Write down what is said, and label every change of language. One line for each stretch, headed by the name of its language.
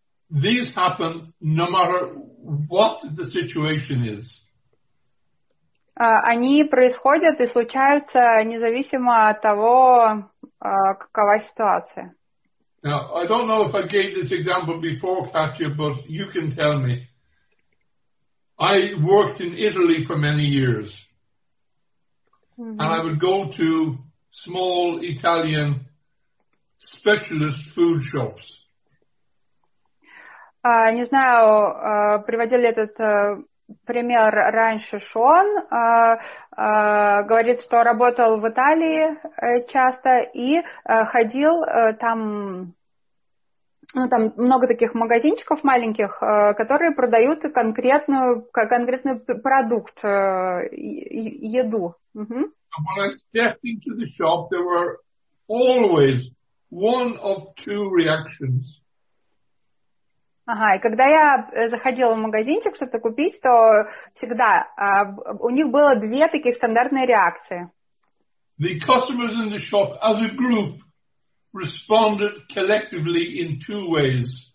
English: These happen no matter what the situation is.
Russian: Они происходят и случаются независимо от того, какова ситуация.
English: Now, I don't know if I gave this example before, Katya, but you can tell me. I worked in Italy for many years. Mm-hmm. And I would go to small Italian specialist food shops.
Russian: Не знаю, приводил ли этот пример раньше Шон. Говорит, что работал в Италии часто и ходил там, ну, там много таких магазинчиков маленьких, которые продают конкретную продукт, еду. Угу.
English: When I stepped into the shop, there were always one of two reactions.
Russian: Ага, и когда я заходила в магазинчик что-то купить, то всегда у них было две таких стандартные реакции.
English: The customers in the shop as a group responded collectively in two ways.